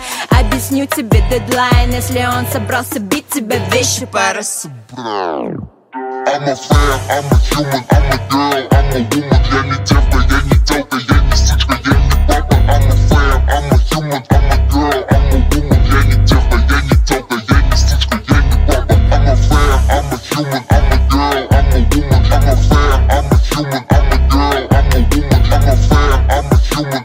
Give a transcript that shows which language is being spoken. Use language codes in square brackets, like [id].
[ru] Объясню тебе дедлайн. Если он собрался бить тебя, вещи пора собрать. [en] I'm a fan, I'm a human, I'm a girl, I'm a woman. [ru] Я не девка, я не телка, я не сучка, я не папа. [en] I'm a fan, I'm a human, I'm a girl, I'm a woman. [ru] Я не девка, я не телка, я не сучка, я не папа. [en] I'm a fan, I'm a human, I'm a girl, I'm a woman. I'm a fan, I'm a human, I'm a girl, I'm a woman.